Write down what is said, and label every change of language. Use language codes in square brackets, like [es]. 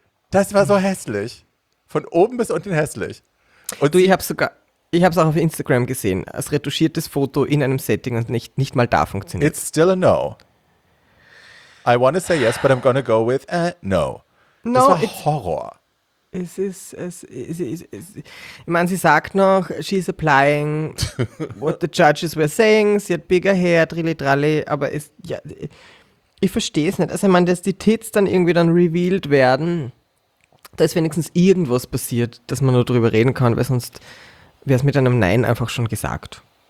[de] Das war so hässlich. Von oben bis unten hässlich. Und du, ich hab's auch auf Instagram gesehen. Als retuschiertes Foto in einem Setting und nicht mal da funktioniert. [en] It's still a no. I want to say yes, but I'm gonna go with no. No, [de] das war Horror. Ich meine, sie sagt noch, [en] she's applying what the judges were saying, [de] sie hat bigger hair, trilli tralli, aber ich verstehe es nicht. Also ich meine, dass die Tits dann irgendwie dann revealed werden, da ist wenigstens irgendwas passiert, dass man nur drüber reden kann, weil sonst wäre es mit einem Nein einfach schon gesagt.